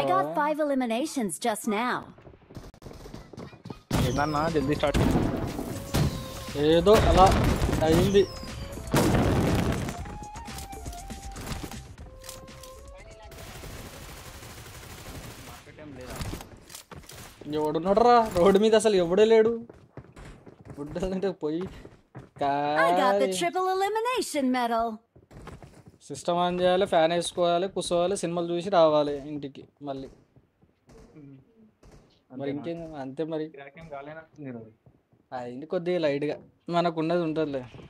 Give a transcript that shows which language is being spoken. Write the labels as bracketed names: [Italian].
[English] I got 5 eliminations just now [Telugu] ఏదన్నా జల్దీ start ఏదో అలా అయింది ఎవడున్నాడరా రోడ్డు మీద అసలు ఎవడే లేడు పోయి [English] I got the triple elimination medal [Telugu] system on చేయాలి ఫ్యాన్ వేసుకోవాలి కూసోవాలి సినిమాలు చూసి రావాలి ఇంటికి మళ్ళీ మరి ఇంకేం అంతే మరి అయింది కొద్దిగా లైట్గా మనకు ఉన్నది ఉంటుందిలే